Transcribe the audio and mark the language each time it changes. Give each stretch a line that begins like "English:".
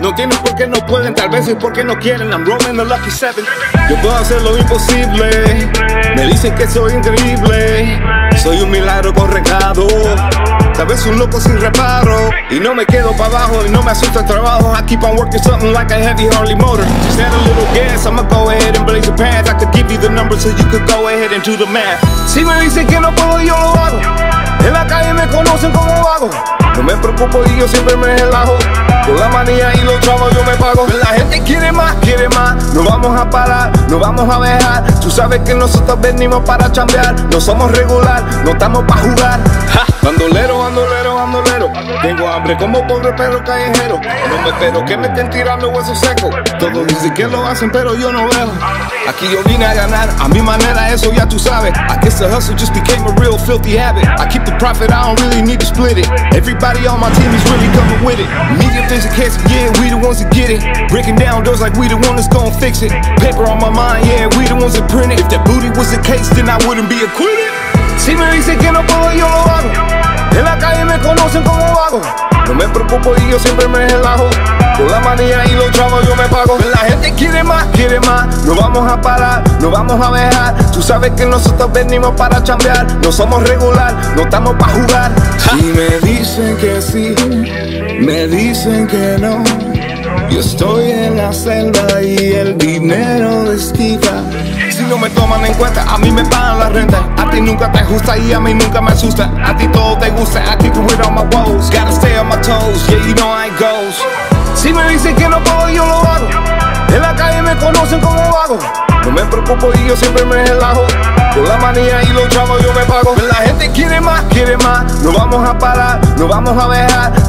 Spanish: No tienen por qué no pueden, tal vez es porque no quieren.
English: I'm rolling the lucky seven.
Spanish: Yo puedo hacer lo imposible. Me dicen que soy increíble. Soy un milagro con recado. Tal vez un loco sin reparo. Y no me quedo para abajo y no me asusta el trabajo.
English: I keep on working something like a heavy Harley motor. Just add a little gas, I'ma go ahead and blaze the path. I could give you the numbers so you could go ahead and do the math.
Spanish: Si me dicen que no puedo, yo lo hago. En la calle me conocen como vago. No me preocupo y yo siempre me relajo. Con la manía y los chavos yo me pago. La gente quiere más, no vamos a parar, no vamos a dejar. Tú sabes que nosotros venimos para chambear. No somos regular, no estamos para jugar. Bandolero, bandolero, bandolero. Tengo hambre como pobre perro callejero. No me espero que me estén tirando huesos secos. Todos dicen que lo hacen pero yo no veo. Aquí yo vine a ganar, a mi manera eso ya tú sabes.
English: I guess the hustle just became a real filthy habit. I keep the profit, I don't really need to split it. Everybody on my team is really coming with it. Mediumthangs and cats, yeah, we the ones that get it. Breaking down doors like we the one that's gon' fix it. Paper on my mind, yeah, we the ones that print it. If that booty was the case, then I wouldn't be acquitted.
Spanish: Si me dicen que no puedo, yo lo hago. En la calle me conocen como vago. No me preocupo y yo siempre me relajo. Con la manía y los chavos yo me pago. La gente quiere más, no vamos a parar, no vamos a dejar. Tú sabes que nosotros venimos para chambear. No somos regular, no estamos pa' jugar. Si me dicen que sí, me dicen que no. Yo estoy en la celda y el dinero esquiva. Si no me toman en cuenta, a mí me pagan la renta. A ti nunca te gusta y a mí nunca me asusta. A ti todo te gusta,
English: I keep with all my woes. Gotta stay on my toes, yeah, you know how it goes.
Spanish: Si me dicen que no puedo, yo lo hago. En la calle me conocen como vago. No me preocupo y yo siempre me relajo. Con la manía y los chavos yo me pago. La gente quiere más, no vamos a parar, no vamos a dejar.